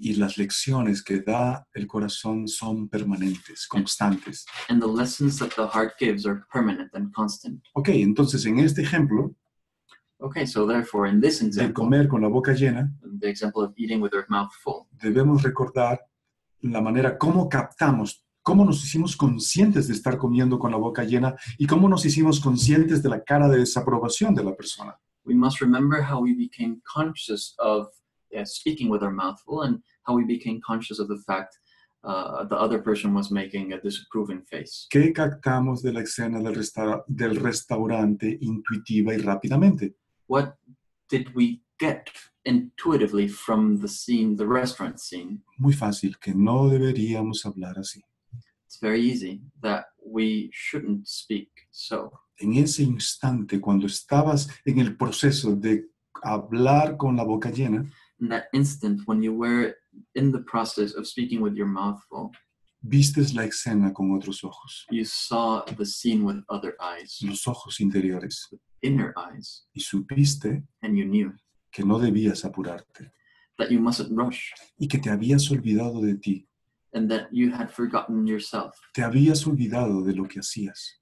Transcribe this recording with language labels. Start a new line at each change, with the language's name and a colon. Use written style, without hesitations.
Spanish: Y las lecciones que da el corazón son permanentes, constantes.
English: And the lessons that the heart gives are permanent and constant.
Spanish: Okay, entonces en este ejemplo,
English: okay, so therefore in this example,
Spanish: de comer con la boca llena,
English: the example of eating with our mouth full,
Spanish: debemos recordar la manera como captamos, cómo nos hicimos conscientes de estar comiendo con la boca llena y cómo nos hicimos conscientes de la cara de desaprobación de la persona.
English: We must remember how we became conscious of speaking with our mouth full and how we became conscious of the fact the other person was making a disapproving face.
Spanish: ¿Qué captamos de la escena del restaurante intuitiva y rápidamente?
English: What did we get intuitively from the scene, the restaurant scene?
Spanish: Muy fácil, que no deberíamos hablar así.
English: It's very easy that we shouldn't speak so.
Spanish: En ese instante, cuando estabas en el proceso de hablar con la boca llena,
English: in that instant, when you were in the process of speaking with your mouth full,
Spanish: vistes la escena con otros ojos.
English: You saw the scene with other eyes.
Spanish: Los ojos interiores.
English: Inner eyes.
Spanish: Y supiste,
English: and you knew,
Spanish: que no debías apurarte.
English: That you mustn't rush.
Spanish: Y que te habías olvidado de ti.
English: And that you had forgotten yourself.
Spanish: Te habías olvidado de lo que hacías.